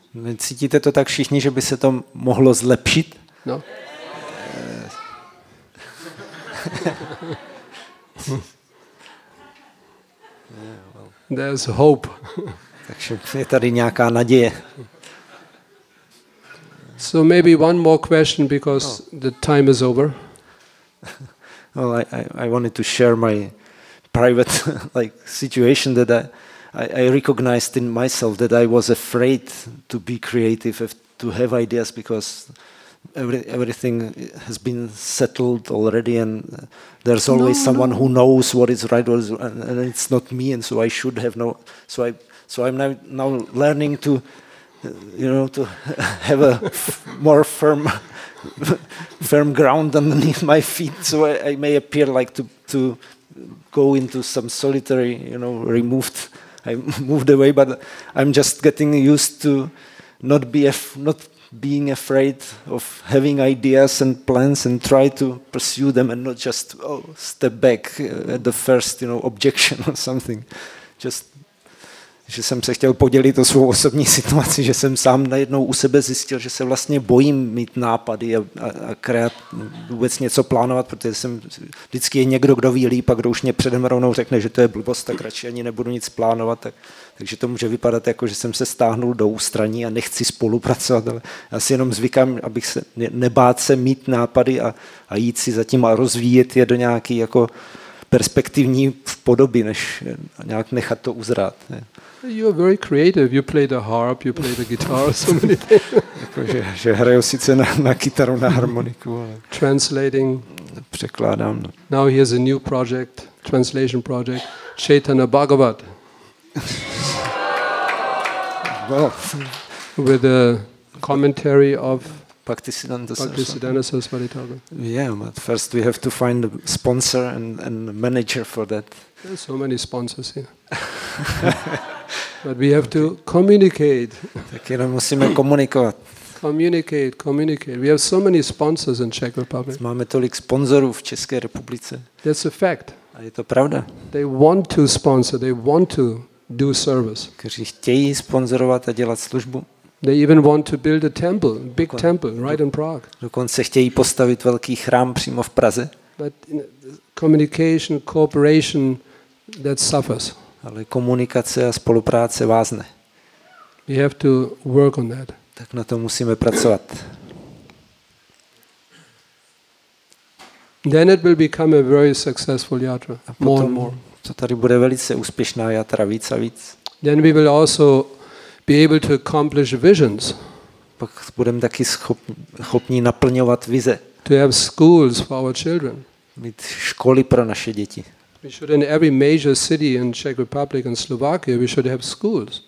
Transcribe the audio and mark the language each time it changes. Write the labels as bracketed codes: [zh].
[cs] Necítíte to tak všichni, že by se to mohlo zlepšit? No. [en] There's hope. [cs] Takže je tady nějaká naděje. [en] So maybe one more question because the time is over. Well, I wanted to share my private like situation that I recognized in myself that I was afraid to be creative, to have ideas because everything has been settled already and there's always someone who knows what is right and it's not me and so I should have no so I'm now learning to, you know, to have a more firm ground underneath my feet, so I may appear like to go into some solitary, you know, removed. I moved away, but I'm just getting used to not being afraid of having ideas and plans and try to pursue them and not just step back at the first, you know, objection or something. [cs] Just, že jsem se chtěl podělit o svou osobní situaci, že jsem sám najednou u sebe zjistil, že se vlastně bojím mít nápady a kreat, vůbec něco plánovat, protože jsem vždycky je někdo, kdo ví líp a kdo už mě předem rovnou řekne, že to je blbost, tak radši ani nebudu nic plánovat. Takže to může vypadat jako, že jsem se stáhnul do ústraní a nechci spolupracovat, ale já si jenom zvykám, abych se nebát se mít nápady a jít si zatím a rozvíjet je do nějaký jako perspektivní podoby, než nějak nechat to uzrát. Ne? [en] You are very creative. You play the harp, you play the guitar, so many things. [cs] Že hraju sice na kytaru, na harmoniku, ale [en] translating. [cs] Překládám. [en] Now he has a new project, translation project, Chaitanya Bhagavat. With a commentary of Bhaktisiddhanta Saraswati Thakur. Yeah, but first we have to find a sponsor and a manager for that. There are so many sponsors here. But we have to communicate. [cs] Tak jenom musíme komunikovat. [en] Communicate. We have so many sponsors in Czech Republic. [cs] Máme tolik sponzorů v České republice. [en] That's a fact. [cs] A je to pravda. [en] They want to sponsor, they want to do service. [cs] Kteří chtějí sponzorovat a dělat službu. [en] They even want to build a temple, big temple right in Prague. [cs] Dokonce chtějí postavit velký chrám přímo v Praze. [en] But communication, cooperation, that suffers. [cs] Ale komunikace a spolupráce vázne. [en] We have to work on that. [cs] Tak na to musíme pracovat. [en] Then it will become a very successful yatra. More and more. [cs] To tady bude velice úspěšná jatra, víc a víc. [en] Then we will also be able to accomplish visions. [cs] Pak budeme taky schopni naplňovat vize. [en] To have schools for our children. [cs] mít školy pro naše děti. [en] We should in every major city in Czech Republic and Slovakia we should have schools.